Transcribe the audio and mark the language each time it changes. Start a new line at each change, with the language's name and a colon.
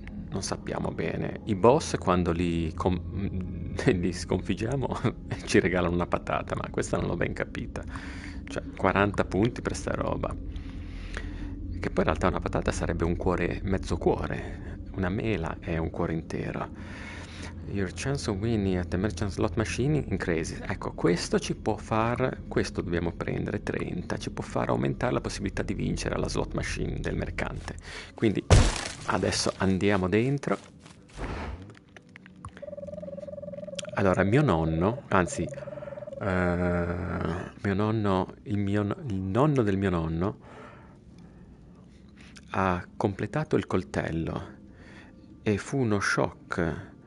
Italian: Non sappiamo bene. I boss, quando li sconfiggiamo, ci regalano una patata, ma questa non l'ho ben capita. Cioè, 40 punti per sta roba. Che poi in realtà una patata sarebbe un cuore, mezzo cuore. Una mela è un cuore intero.
English: Your chance of winning at the merchant slot machine increases.
Italian: Ecco, questo ci può far. Questo dobbiamo prendere 30. Ci può far aumentare la possibilità di vincere alla slot machine del mercante. Quindi adesso andiamo dentro. Allora, mio nonno, anzi, il nonno del mio nonno ha completato il coltello e fu uno shock.